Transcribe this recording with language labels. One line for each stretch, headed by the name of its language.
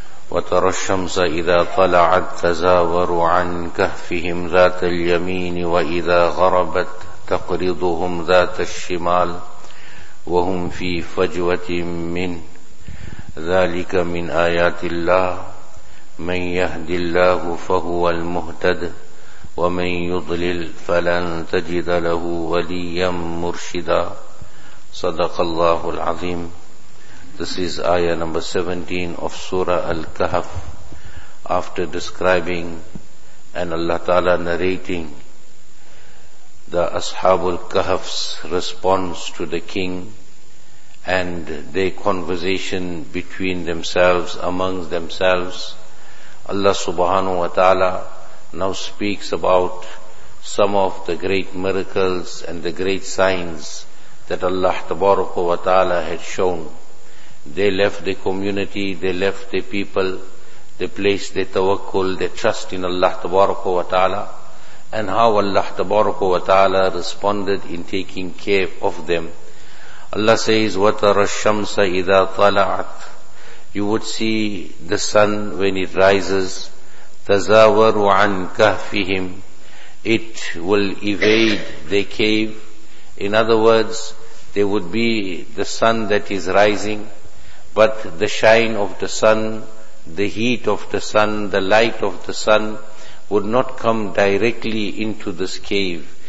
Arabic: وترى الشمس إذا طلعت تزاور عن كهفهم ذات اليمين وإذا غربت تقرضهم ذات الشمال وهم في فجوة من ذلك من آيات الله من يهد الله فهو المهتد ومن يضلل فلن تجد له وليا مرشدا صدق الله العظيم.
English: This is ayah number 17 of Surah Al-Kahf. After describing and Allah Ta'ala narrating the Ashabul Kahf's response to the king and their conversation between themselves, amongst themselves, Allah Subhanahu wa Ta'ala now speaks about some of the great miracles and the great signs that Allah Tabaraka wa Ta'ala had shown. They left the community, they left the people, they placed their tawakkul, their trust in Allah Tabaraka wa Ta'ala, and how Allah Tabaraka wa Ta'ala responded in taking care of them. Allah says,
Arabic: وَتَرَى الشَّمْسَ إِذَا طَلَعَتْ.
English: You would see the sun when it rises.
Arabic: تَزَاوَرُ عَنْ كَهْفِهِمْ.
English: It will evade their cave. In other words, there would be the sun that is rising, but the shine of the sun, the heat of the sun, the light of the sun would not come directly into this cave.